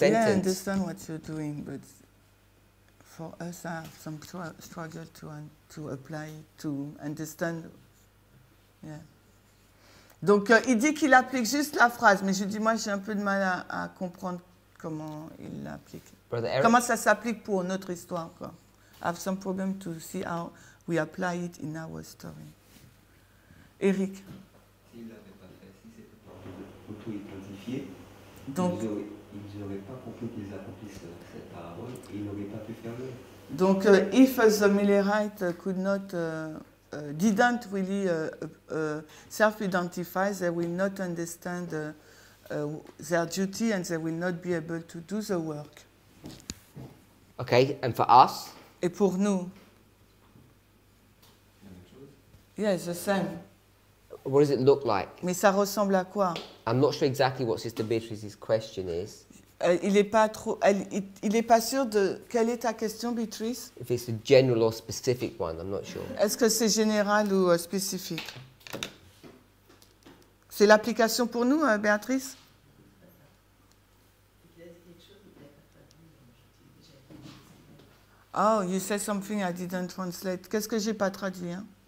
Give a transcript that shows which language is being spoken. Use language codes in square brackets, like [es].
[en] Yeah, I understand what you're doing, but for us I have some struggle to apply, to understand. Yeah. [fr] Donc il dit qu'il applique juste la phrase, mais je lui dis, moi j'ai un peu de mal à comprendre comment il l'applique. Comment ça s'applique pour notre histoire, quoi. [en] I have some problem to see how we apply it in our story. Eric. [fr] S'il n'avait pas fait, si c'était pas pour auto-identifier, donc, il n'aurait pas compris qu'ils accomplissent cette parabole et il n'aurait pas pu faire l'œuvre. [en] Donc, if the Millerite could not, didn't really self-identify, they will not understand their duty and they will not be able to do the work. Okay, and for us? [fr] Et pour nous? [en] Yes, the same. What does it look like? [fr] Mais ça ressemble à quoi? [en] I'm not sure exactly what Sister Beatrice's question is. [fr] Il est pas sûr de quelle est ta question, Beatrice? [en] If it's a general or specific one, I'm not sure. [fr] Est-ce que c'est général ou spécifique? C'est l'application pour nous, Beatrice? [en] Oh, you said something I didn't translate. [fr] Qu'est-ce que j'ai pas traduit, hein?